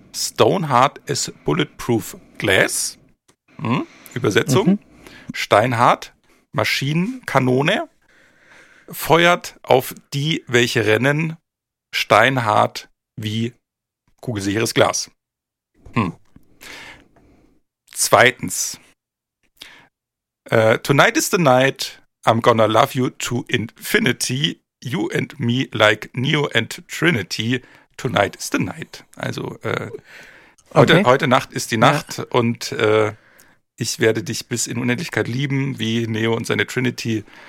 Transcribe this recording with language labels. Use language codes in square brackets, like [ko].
[en] Stoneheart is bulletproof glass. [de] Übersetzung: Steinhart Maschinenkanone feuert auf die, welche rennen, steinhart wie kugelsicheres Glas. Zweitens. [en] Tonight is the night, I'm gonna love you to infinity, you and me like Neo and Trinity, tonight is the night. [de] Also heute Nacht ist die Nacht und ich werde dich bis in Unendlichkeit lieben, wie Neo und seine Trinity.